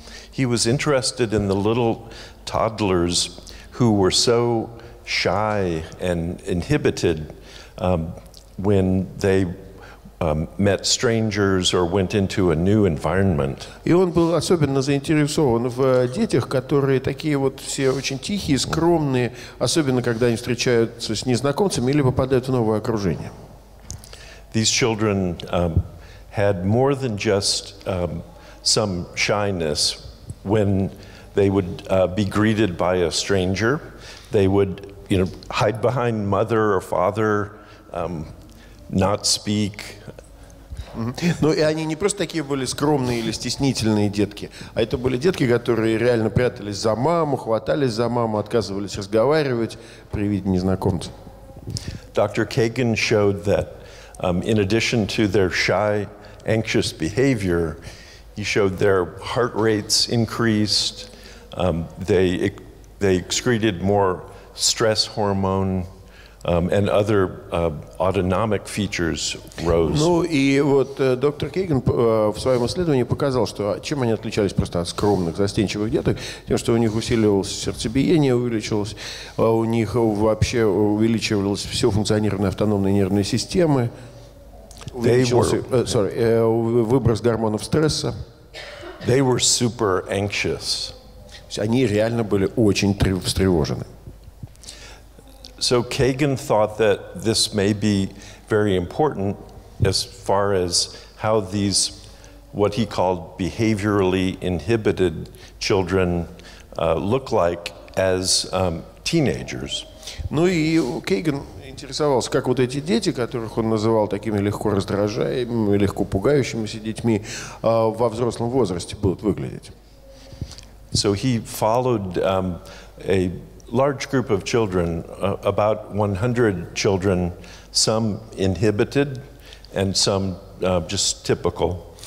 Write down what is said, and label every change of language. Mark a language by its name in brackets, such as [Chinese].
[English] He was interested in the little toddlers who were so shy and inhibited when they met strangers or went into a new environment. [Russian] И он был особенно заинтересован в детях, которые такие вот все очень тихие, скромные, особенно когда они встречаются с незнакомцами или попадают в новое окружение. [English] These children had more than just some shyness when they would be greeted by a stranger. They would, you know, hide behind mother or father, not speak. [Russian] Ну, и они не просто такие были скромные или стеснительные детки, а это были детки, которые реально прятались за маму, хватались за маму, отказывались разговаривать при виде незнакомца. [English] Dr. Kagan showed that in addition to their shy, anxious behavior, he showed their heart rates increased, they excreted more stress hormone, and other autonomic features rose. [Russian] Ну и вот доктор Кейган в своем исследовании показал, что чем они отличались просто от скромных, застенчивых деток, тем, что у них усиливалось сердцебиение, увеличилось, у них вообще увеличивалось все функционирование автономной нервной системы, выброс гормонов стресса. [English] They were super anxious. [Russian] Они реально были очень встревожены. [English] So Kagan thought that this may be very important as far as how these, what he called behaviorally inhibited children, look like as teenagers. [Russian] Ну и Кейган интересовался, как вот эти дети, которых он называл такими легко раздражаемыми, легко пугающимися детьми, во взрослом возрасте будут выглядеть. [English] So he followed a large group of children, about 100 children, some inhibited and some just typical.